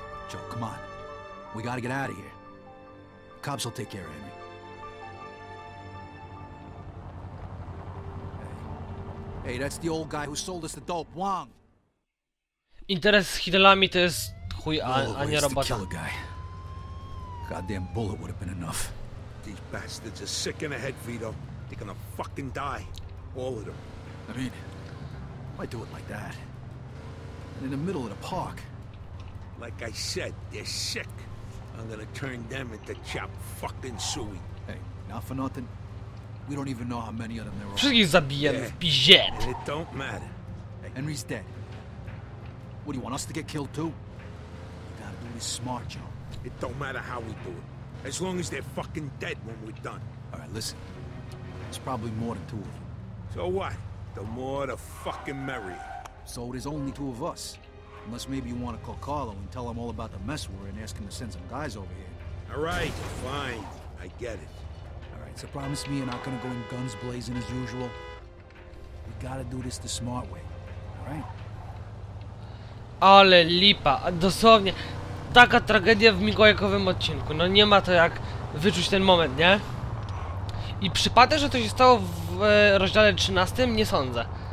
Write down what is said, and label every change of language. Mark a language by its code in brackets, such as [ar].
[en] Joe, come on. We gotta get out of here. The cops will take care of Henry. Hey, that's the old guy who sold us the dope, Wong. [pl] Interes z Hidalami to jest chuj, a nie robota. [en] Goddamn bullet would have been enough. These bastards are sick in the head, Vito. They're gonna fucking die. All of them. I mean, why do it like that? And in the middle of the park. Like I said, they're sick. I'm gonna turn them into chop fucking suey. Hey, not for nothing. We don't even know how many of them there are. [pl] Wszystkich zabijemy w pizie. [en] And it don't matter. Hey, Henry's dead. What do you want us to get killed too? You gotta do this smart, Joe. It don't matter how we do it. As long as they're fucking dead when we're done. All right, listen. There's probably more than two of them. So what? The more the fucking merrier. So there's only two of us. Unless maybe you want to call Carlo and tell him all about the mess we're in and ask him to send some guys over here. All right, fine. I get it. All right, so promise me you're not gonna go in guns blazing as usual. We gotta do this the smart way. All right? [pl] Ale lipa, dosłownie. Taka tragedia w mikołajkowym odcinku. No nie ma to jak wyczuć ten moment, nie? I przypadek, że to się stało w rozdziale 13? Nie sądzę.